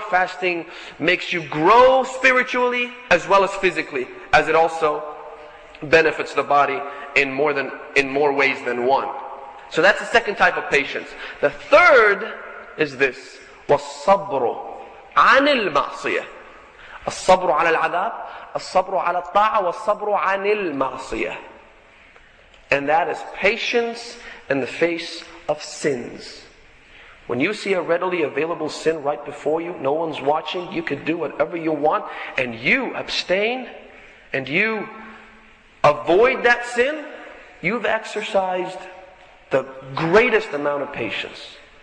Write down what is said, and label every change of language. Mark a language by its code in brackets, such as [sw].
[en] Fasting makes you grow spiritually as well as physically, as it also benefits the body in more ways than one. So that's the second type of patience. The third is this, [ar] والصبر عن المعصية. الصبر على العذاب, الصبر على الطاعة, والصبر عن المعصية. [en] And that is patience in the face of sins. When you see a readily available sin right before you, no one's watching, you can do whatever you want, and you abstain, and you avoid that sin, you've exercised the greatest amount of patience.